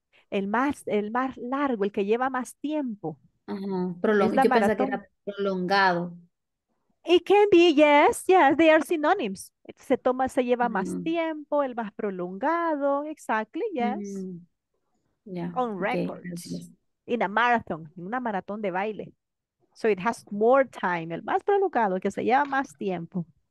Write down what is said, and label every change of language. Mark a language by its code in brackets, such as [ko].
[es] El más largo, el que lleva más tiempo. Prolongado. [en] It can be, yes, yes, they are synonyms. [es] Se toma, se lleva más tiempo, el más prolongado, [en] exactly, yes. Yeah. On records. Okay. In a marathon, [es] en una maratón de baile. [en] So it has more time, [es] el más prolongado, que se lleva más tiempo.